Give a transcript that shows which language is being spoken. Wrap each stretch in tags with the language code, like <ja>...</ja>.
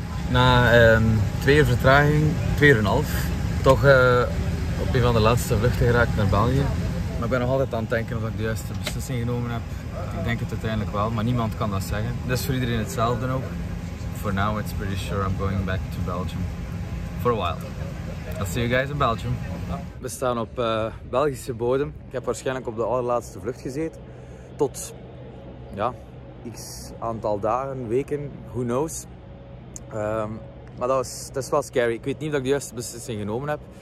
<nl>Na 2 uur vertraging, 2,5 uur, toch op een van de laatste vluchten geraakt naar België. Maar ik ben nog altijd aan het denken of ik de juiste beslissing genomen heb. Ik denk het uiteindelijk wel, maar niemand kan dat zeggen. Dus voor iedereen hetzelfde ook.</nl> <en>For now, it's pretty sure I'm going back to Belgium. For a while. I'll see you guys in Belgium.</en> <nl>We staan op Belgische bodem. Ik heb waarschijnlijk op de allerlaatste vlucht gezeten. Tot, ja, x aantal dagen, weken,</nl> <en>who knows.</en> <nl>Maar dat is wel scary. Ik weet niet of ik de juiste beslissing genomen heb.</nl>